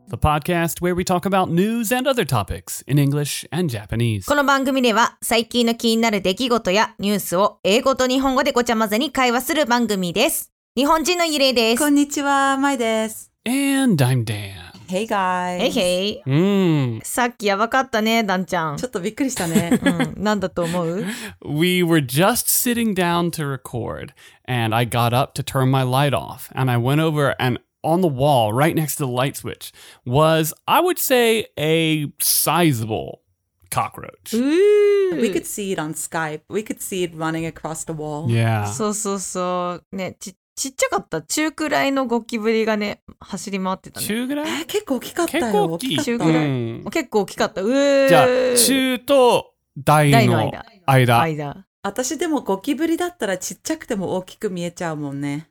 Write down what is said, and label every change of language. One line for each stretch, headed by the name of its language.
English: The podcast where we talk about news and other topics in English and Japanese.
Japanese: この番組では最近の気になる出来事やニュースを英語と日本語でごちゃ混ぜに会話する番組です。日本人のゆれいです。こんにちは、まいです。
English: And I'm Dan. Hey guys. Hey, hey.
Japanese: さっきやばかったね、ダンちゃん。ちょっとびっくりしたね。なんだと思う?
English: We were just sitting down to record, and I got up to turn my light off, and I went over and on the wall, right next to the light switch, was, I would say, a sizable cockroach. We could see it on Skype. We could see it running across the wall. Yeah.
Japanese: そうそうそう。ね、ちっちゃかった。中くらいのゴキブリがね、走り回ってたね。中ぐらい、結構大きかったよ。結構大きい。中ぐらい、うん。結構大きかった。じゃあ、中と大の間。私でもゴキブリだったらちっちゃくても大きく見えちゃうもんね。